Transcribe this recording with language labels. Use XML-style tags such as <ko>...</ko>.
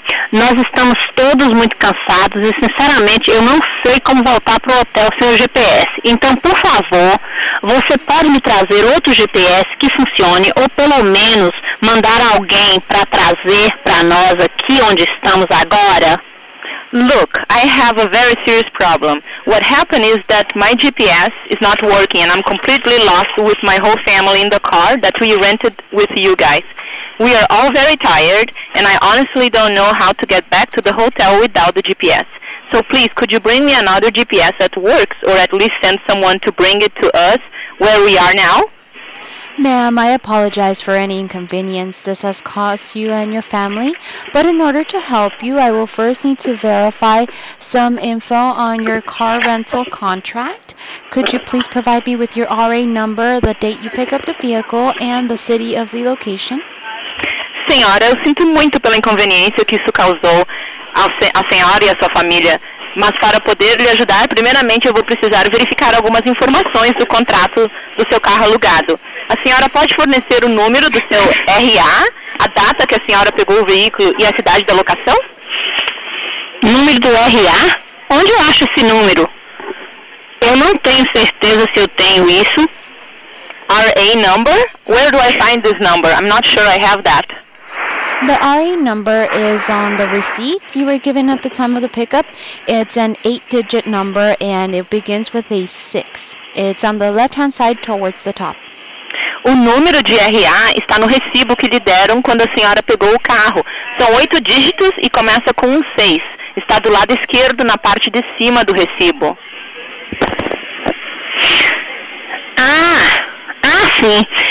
<pt>Nós estamos todos muito cansados e, sinceramente, eu não sei como voltar para o hotel sem o GPS. Então, por favor, você pode me trazer outro GPS que funcione ou, pelo menos, mandar alguém para trazer para nós aqui onde estamos agora?</pt> <en>Look, I have a very serious problem. What happened is that my GPS is not working and I'm completely lost with my whole family in the car that we rented with you guys. We are all very tired, and I honestly don't know how to get back to the hotel without the GPS. So please, could you bring me another GPS that works, or at least send someone to bring it to us where we are now? Ma'am, I apologize for any inconvenience this has caused you and your family, but in order to help you, I will first need to verify some info on your car rental contract. Could you please provide me with your RA number, the date you pick up the vehicle, and the city of the location?</en> <pt>Senhora, eu sinto muito pela inconveniência que isso causou à senhora e à sua família, mas para poder lhe ajudar, primeiramente eu vou precisar verificar algumas informações do contrato do seu carro alugado. A senhora pode fornecer o número do seu RA, a data que a senhora pegou o veículo e a cidade da locação? Número do RA? Onde eu acho esse número? Eu não tenho certeza se eu tenho isso.</pt> <en>RA number? Where do I find this number? I'm not sure I have that. The RA number is on the receipt you were given at the time of the pickup. It's an 8-digit number and it begins with a 6. It's on the left-hand side towards the top.</en> <pt>O número de RA está no recibo que lhe deram quando a senhora pegou o carro. São 8 dígitos e começa com um 6. Está do lado esquerdo na parte de cima do recibo. Ah, sim.</pt>